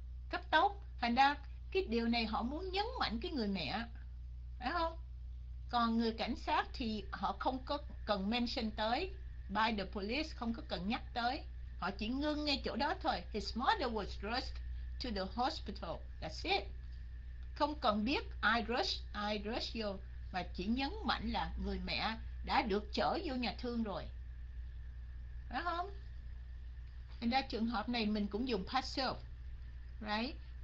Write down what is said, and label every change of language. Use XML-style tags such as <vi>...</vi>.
<vi>Cấp tốc, thành ra cái điều này họ muốn nhấn mạnh cái người mẹ, phải không? Còn người cảnh sát thì họ không có cần mention tới,</vi> <en>by the police</en> <vi>không có cần nhắc tới, họ chỉ ngưng ngay chỗ đó thôi.</vi> <en>His mother was rushed to the hospital, that's it.</en> <vi>Không cần biết</vi> <en>I rush</en> <vi>vô, mà chỉ nhấn mạnh là người mẹ đã được chở vô nhà thương rồi, phải không? Thành ra trường hợp này mình cũng dùng passive, right?</vi>